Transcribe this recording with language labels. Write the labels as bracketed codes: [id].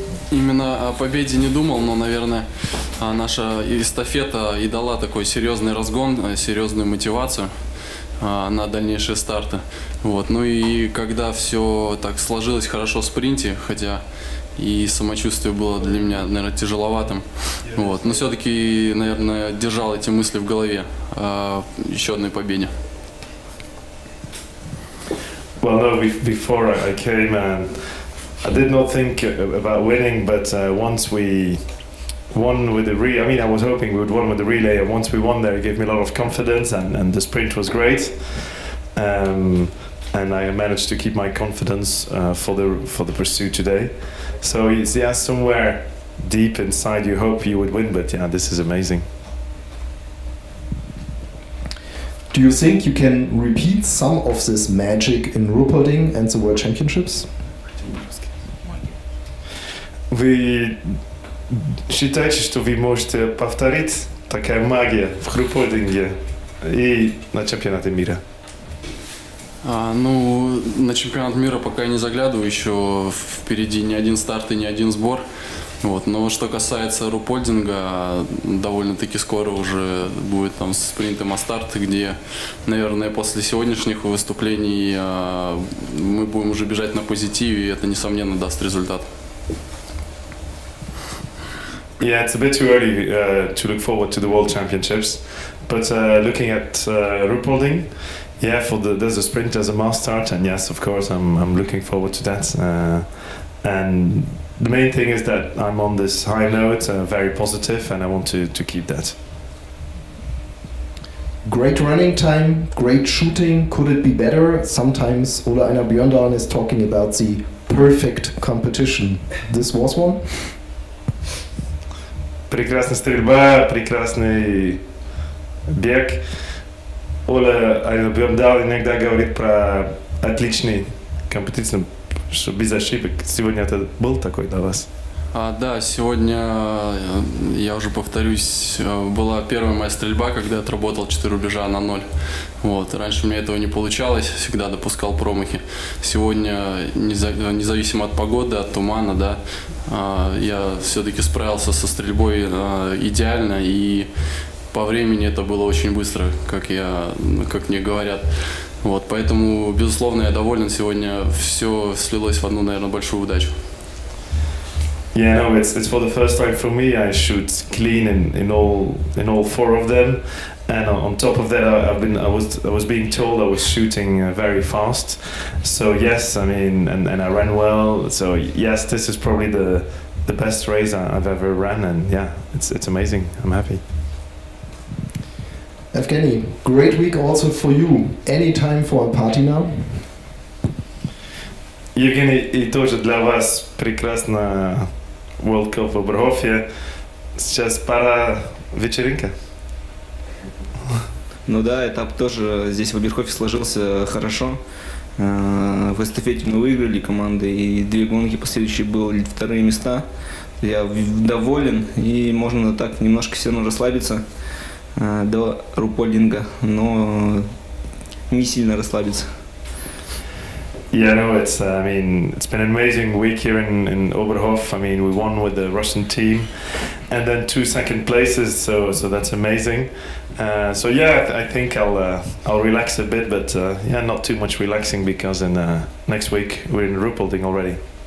[ru] Именно о победе не думал, но, наверное, наша эстафета и дала такой серьезный разгон, серьезную мотивацию на дальнейшие старты. Вот. Ну и когда все так сложилось хорошо в спринте, хотя и самочувствие было для меня, наверное, тяжеловатым. Вот. Но все-таки, наверное, держал эти мысли в голове о еще одной победе. [en] Well, no, before I came, I did not think about winning, but once we won with the relay, I mean, I was hoping we would win with the relay, and once we won there, it gave me a lot of confidence, and the sprint was great. And I managed to keep my confidence for the pursuit today. So yeah, somewhere deep inside you hope you would win, but yeah, this is amazing. Do you think you can repeat some of this magic in Ruhpolding and the World Championships? [ru] Вы считаете, что вы можете повторить такая магия в Ruhpoldingе и на чемпионате мира? Ну, на чемпионат мира пока я не заглядываю, еще впереди ни один старт и ни один сбор. Вот. Но что касается Ruhpoldinga, довольно-таки скоро уже будет там спринт и масс-старт, где, наверное, после сегодняшних выступлений мы будем уже бежать на позитиве, и это, несомненно, даст результат. [en] Yeah, it's a bit too early to look forward to the World Championships, but looking at Ruhpolding, yeah, for the there's a sprint, there's a mass start, and yes, of course, I'm looking forward to that. And the main thing is that I'm on this high note, very positive, and I want to keep that. Great running time, great shooting. Could it be better? Sometimes Ola Einar Bjørndalen is talking about the perfect competition. This was one. [ru] Прекрасная стрельба, прекрасный бег. Оля Айнер Бьёрндал иногда говорит про отличный компетицию, что без ошибок. Сегодня это был такой для вас? Да, сегодня, я уже повторюсь, была первая моя стрельба, когда я отработал 4 рубежа на 0. Вот. Раньше мне этого не получалось, всегда допускал промахи. Сегодня, независимо от погоды, от тумана, да, я все-таки справился со стрельбой идеально, и по времени это было очень быстро, как мне говорят. Вот. Поэтому, безусловно, я доволен. Сегодня все слилось в одну, наверное, большую удачу. [en] Yeah, no, it's for the first time for me. I shoot clean in all four of them, and on top of that, I was being told I was shooting very fast. So yes, I mean, and I ran well. So yes, this is probably the best race I've ever ran, and yeah, it's amazing. I'm happy. Evgeny, great week also for you. Any time for a party now? [ru] Evgeny, и тоже для вас прекрасно. World Cup в Оберхофе. Сейчас пора вечеринка. Ну да, этап тоже здесь в Оберхофе сложился хорошо. В эстафете мы выиграли команды, и две гонки последующие были вторые места. Я доволен, и можно так немножко все равно расслабиться до Ruhpoldinga, но не сильно расслабиться. [en] Yeah, no, it's been an amazing week here in Oberhof. I mean, we won with the Russian team and then two second places, so that's amazing. So yeah, I think I'll relax a bit, but yeah, not too much relaxing because in next week we're in Ruhpolding already.